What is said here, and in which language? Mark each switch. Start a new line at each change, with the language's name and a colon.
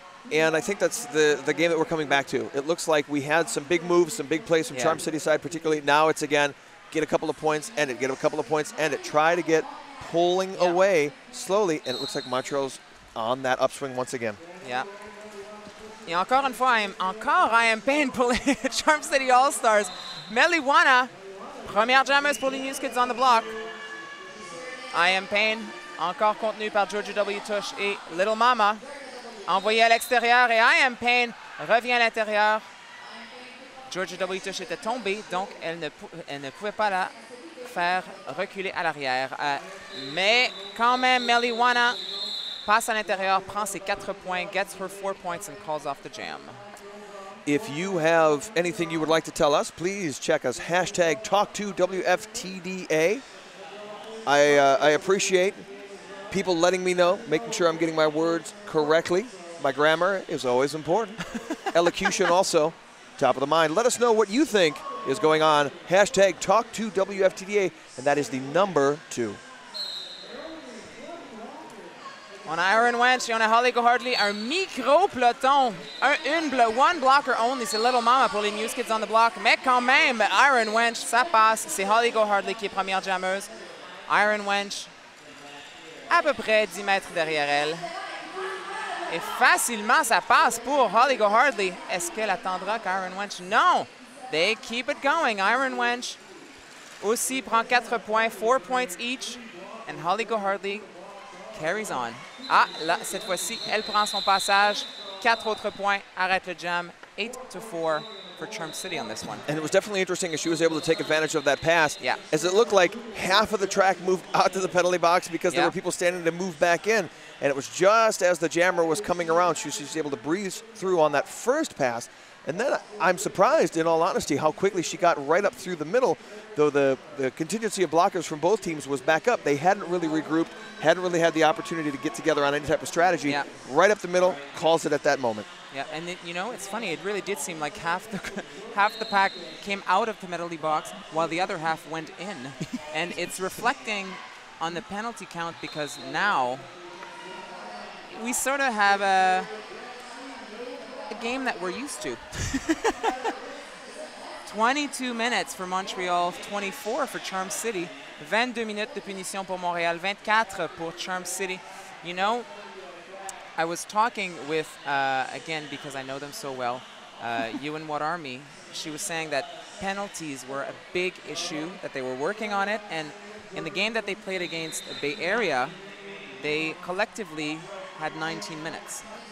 English: And I think that's the game that we're coming back to. It looks like we had some big moves, some big plays from Charm City side particularly. Now it's again, get a couple of points, end it. Get a couple of points, end it. Try to get pulling away slowly. And it looks like Montreal's on that upswing once again. Yeah.
French: Et encore une fois, I am Payne pulling Charm City All-Stars. Meliwana, première jammeuse pour les New Skids on the block. I.M. Payne, encore contenu par Georgia W. Tush et Little Mama. Envoyé à l'extérieur et I.M. Payne revient à l'intérieur. Georgia W. Tush était tombée, donc elle ne pouvait pas la faire reculer à l'arrière. Mais quand même, Meliwana passe à l'intérieur, prend ses 4 points,
English: gets her 4 points and calls off the jam. If you have anything you would like to tell us, please check us. Hashtag talk2WFTDA. I appreciate people letting me know, making sure I'm getting my words correctly. My grammar is always important. Elocution also, top of the mind. Let us know what you think is going on. Hashtag talk2WFTDA, and that is the number two.
French: On a Iron Wench et on a Holly Gohardley, un micro peloton,
English: one blocker only,
French: c'est Little Mama pour les New Skids on the block, mais quand même, Iron Wench, ça passe, c'est Holly Gohardley qui est première jammeuse. Iron Wench, à peu près 10 mètres derrière elle. Et facilement, ça passe pour Holly Gohardley. Est-ce qu'elle attendra qu'Iron Wench? Non!
English: They keep it going. Iron Wench
French: aussi prend 4 points,
English: 4 points each. And Holly Gohardley carries on.
French: Ah, là, cette fois-ci, elle prend son passage. 4 autres points, arrête le jam. 8-4
English: for Charm City on this one. And it was definitely interesting as she was able to take advantage of that pass. Yeah. As it looked like half of the track moved out to the penalty box because there were people standing to move back in. And it was just as the jammer was coming around, she was just able to breeze through on that first pass. And then I'm surprised, in all honesty, how quickly she got right up through the middle, though the contingency of blockers from both teams was back up. They hadn't really regrouped, hadn't really had the opportunity to get together on any type of strategy. Yeah. Right up the middle, calls it at that moment. Yeah, and it, you know, it's funny. It really did seem like half the pack came out of the penalty box while the other half went in. And it's reflecting on the penalty count because now we sort of have a game that we're used to. 22 minutes for Montreal, 24 for Charm City.
French: 22 minutes de punition pour Montréal, 24 pour Charm City.
English: You know, I was talking with, again, because I know them so well, Ewan Watarmi. She was saying that penalties were a big issue, that they were working on it. And in the game that they played against the Bay Area, they collectively had 19 minutes.